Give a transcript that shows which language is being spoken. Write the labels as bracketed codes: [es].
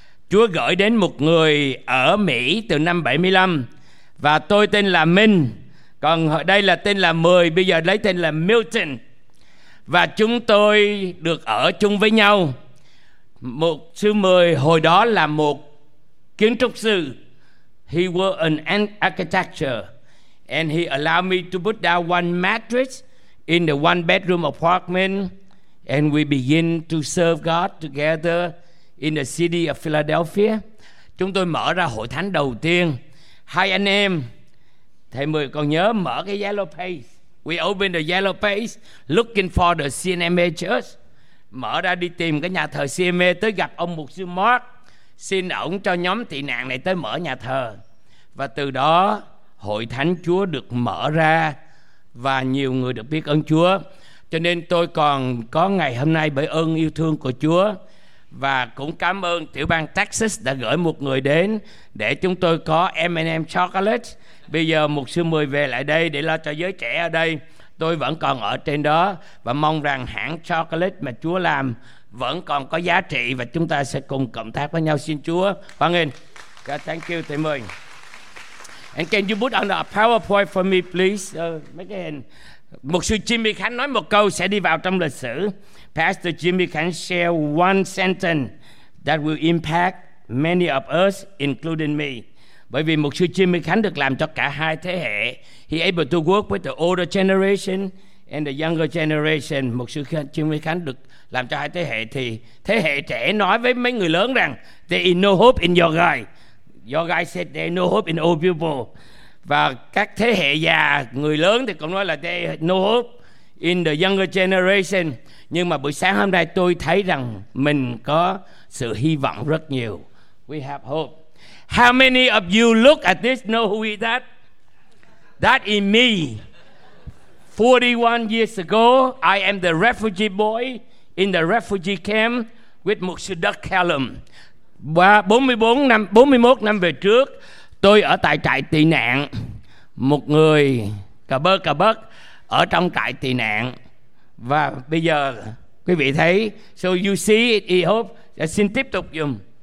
[vi] Chúa gửi đến một người ở Mỹ từ năm 75. Và tôi tên là Minh. Còn đây là tên là Mười. Bây giờ lấy tên là Milton. và chúng tôi được ở chung với nhau. Mục sư Mười hồi đó là một kiến trúc sư. [en] He was an architect, and he allowed me to put down one mattress in the one bedroom apartment, and we begin to serve God together in the city of Philadelphia. [vi] Chúng tôi mở ra hội thánh đầu tiên. Hai anh em, thầy Mười còn nhớ mở cái yellow page. [en] We opened the yellow page looking for the CNMA church. [vi] Mở ra đi tìm cái nhà thờ CNMA, tới gặp ông mục sư Mark, xin ổng cho nhóm tị nạn này tới mở nhà thờ. Và từ đó hội thánh Chúa được mở ra và nhiều người được biết ơn Chúa. Cho nên tôi còn có ngày hôm nay bởi ơn yêu thương của Chúa. Và cũng cảm ơn tiểu bang Texas đã gửi một người đến để chúng tôi có M&M chocolate. Bây giờ mục sư Mười về lại đây để lo cho giới trẻ ở đây. Tôi vẫn còn ở trên đó và mong rằng hãng chocolate mà Chúa làm vẫn còn có giá trị và chúng ta sẽ cùng cộng tác với nhau. Xin Chúa hoan nghênh. [en] God, thank you, [vi] thầy Mười. [en] And can you put on a PowerPoint for me, please? Make it in. [vi] Mục sư Jimmy Khánh nói một câu sẽ đi vào trong lịch sử. [en] Pastor Jimmy Khánh share one sentence that will impact many of us, including me. [vi] Bởi vì mục sư Jimmy Khánh được làm cho cả hai thế hệ. [en] He able to work with the older generation and the younger generation. [vi] Mục sư Jimmy Khánh được làm cho hai thế hệ, thì thế hệ trẻ nói với mấy người lớn rằng [en] there is no hope in your guy. Your guy said there is no hope in old people. [vi] Và các thế hệ già, người lớn thì cũng nói là [en] there is no hope in the younger generation. [vi] Nhưng mà buổi sáng hôm nay tôi thấy rằng mình có sự hy vọng rất nhiều. [en] We have hope. How many of you look at this know who is that? That is me. 41 years ago, I am the refugee boy in the refugee camp with Mục sư Doug Callum. [vi] 41 năm về trước, tôi ở tại trại tị nạn. Một người cà bớt ở trong trại tị nạn. Và bây giờ quý vị thấy, [en] so you see it, I hope. [vi] Xin tiếp tục dùng.